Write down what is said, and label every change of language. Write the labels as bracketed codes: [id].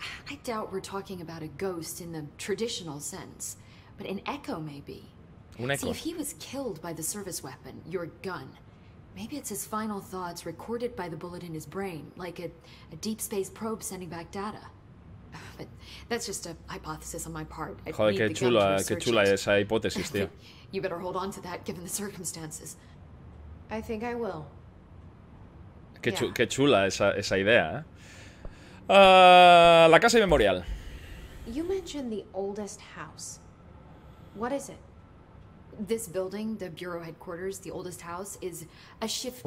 [en] I doubt we're talking about a ghost in the traditional sense, but an echo maybe. [es] Un echo. [en] See, if he was killed by the service weapon, your gun, maybe it's his final thoughts recorded by the bullet in his brain, like a deep space probe sending back data. But that's just a hypothesis on my part. [es] Joder, qué chula esa hipótesis, tío. [en] You better hold on to that given the circumstances. I think I will. [es] Qué chula esa idea. La casa y memorial. [en] You mentioned the oldest house. What is it? This building, the bureau headquarters, the oldest house, is a shift.